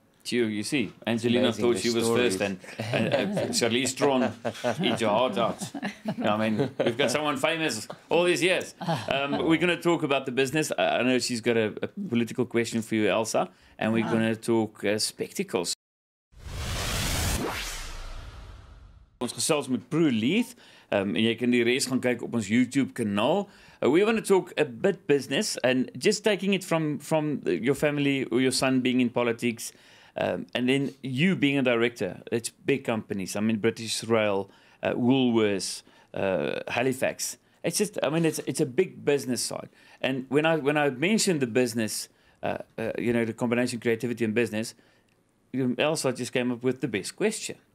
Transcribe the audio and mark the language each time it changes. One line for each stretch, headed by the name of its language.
English: You see, Angelina thought she was first, and Charlize Theron, eat your heart out. I mean, we've got someone famous all these years. We're going to talk about the business. I know she's got a political question for you, Elsa, and we're going to talk spectacles.
Afrikaans: Ons gesels met Prue Leith, en jy kan die rest gaan kyk op ons YouTube kanaal.
English: We want to talk a bit business, and just taking it from your family or your son being in politics. And then you being a director, it's big companies. I mean, British Rail, Woolworths, Halifax. It's just, it's a big business side. And when I mentioned the business, the combination of creativity and business, Elsa just came up with the best question.